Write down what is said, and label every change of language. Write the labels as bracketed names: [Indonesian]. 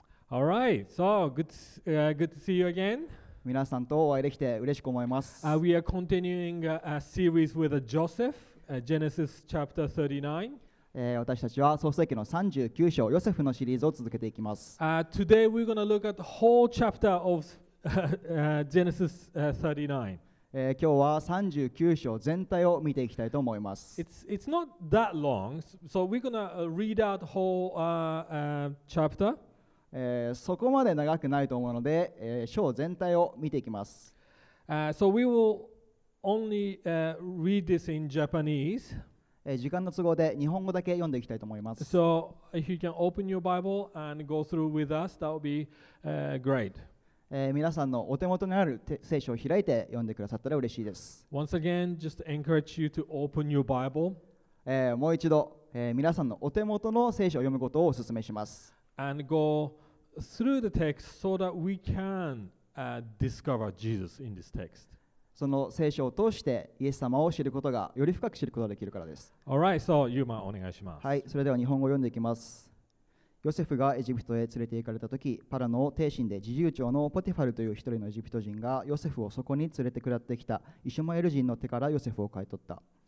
[English] All right, so good to see you again. [Japanese] 皆さんとお会いできて嬉しく思います。 [English] We are continuing a series with Joseph, Genesis chapter 39. [Japanese] 私たちは創世記の39章、ヨセフのシリーズを続けていきます。 [English] Today we're going to look at the whole chapter of Genesis 39. [Japanese] 今日は39章全体を見ていきたいと思います。 [English] It's not that long, so we're going to read out the whole chapter. [Japanese] そこまで長くないと思うので、章全体を見ていきます。 [English] So we will only read this in Japanese. [Japanese] 時間の都合で日本語だけ読んでいきたいと思います。 [English] So if you can open your Bible and go through with us, that would be great. [Japanese] 皆さんのお手元にある聖書を開いて読んでくださったら嬉しいです。 [English] Once again, just encourage you to open your Bible. [Japanese] もう一度、皆さんのお手元の聖書を読むことをお勧めします。 [English] And go through the text so that we can discover Jesus in this text. [Japanese] その聖書を通してイエス様を知ることがより深く知ることができるからです。 [English] All right, so Yuma, [Japanese] お願いします。はい、それでは日本語を読んでいきます。ヨセフがエジプトへ連れて行かれた時、パラの帝臣で侍従長のポティファルという一人のエジプト人がヨセフをそこに連れて下ってきたイシュマエル人の手からヨセフを買い取った。